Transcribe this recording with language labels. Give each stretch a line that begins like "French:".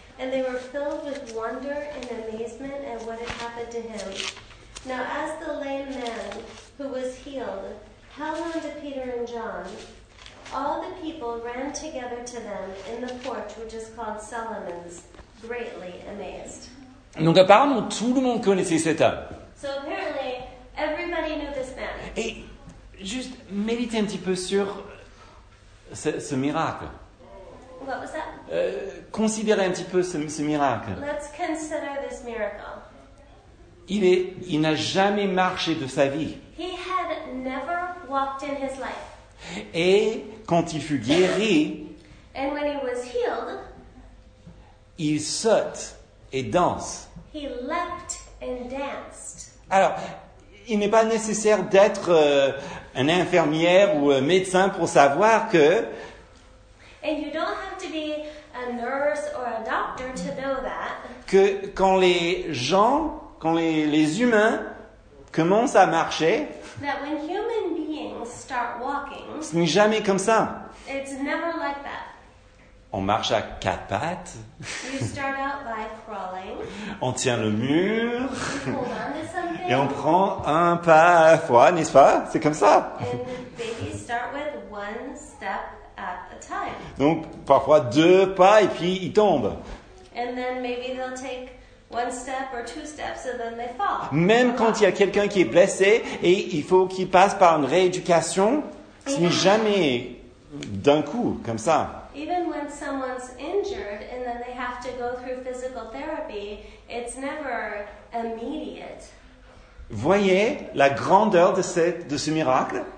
English: And they were filled with wonder and amazement at what had happened to him. Now as the lame man who was healed held on to Peter and John, all the people ran together to them in the porch, which is called Solomon's, greatly amazed.
French: Donc apparemment, tout le monde connaissait cet homme.
English: So apparently, everybody knew this man.
French: Et juste méditer un petit peu sur ce miracle.
English: What was that?
French: Considérer un petit peu ce miracle.
English: Let's consider this miracle.
French: Il n'a jamais marché de sa vie.
English: He had never walked in his life.
French: Et quand il fut guéri,
English: and when he was healed,
French: il saute et danse.
English: He leapt and danced.
French: Alors, il n'est pas nécessaire d'être un infirmière ou un médecin pour savoir que...
English: And you don't have to be a nurse or a doctor to know that.
French: Que quand les gens, quand les humains commencent à marcher,
English: that when human beings start walking,
French: ce n'est jamais comme ça.
English: It's never like that.
French: On marche à quatre pattes.
English: You start out by crawling.
French: On tient le mur.
English: You hold on to something.
French: Et on prend un pas à la fois, n'est-ce pas? C'est comme ça.
English: And babies start with one step at a time.
French: Donc, parfois deux pas et puis ils tombent.
English: And then maybe they'll take one step or two steps and then they fall.
French: Même quand il y a quelqu'un qui est blessé et il faut qu'il passe par une rééducation, ce n'est jamais d'un coup comme ça.
English: Even when someone's injured and then they have to go through physical therapy, it's never immediate.
French: Voyez la grandeur de ce miracle?